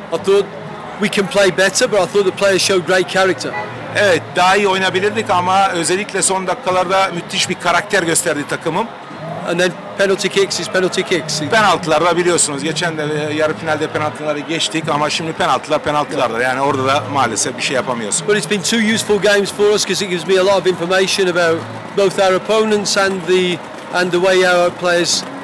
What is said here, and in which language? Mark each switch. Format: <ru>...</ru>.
<en>I thought we can play better, but I thought the players showed great character.</en> <tr>Evet, daha iyi oynayabilirdik ama özellikle son dakikalarda müthiş bir karakter gösterdi takımım.</tr> <en>And then penalty kicks is penalty kicks.</en> <tr>Penaltılar da biliyorsunuz, geçen de yarı finalde penaltıları geçtik ama şimdi penaltılardır. Yani orada da maalesef bir şey yapamıyorsun.</tr> <en>But it's been two useful games for us because it gives me a lot of information about both our opponents and the way our players.</en>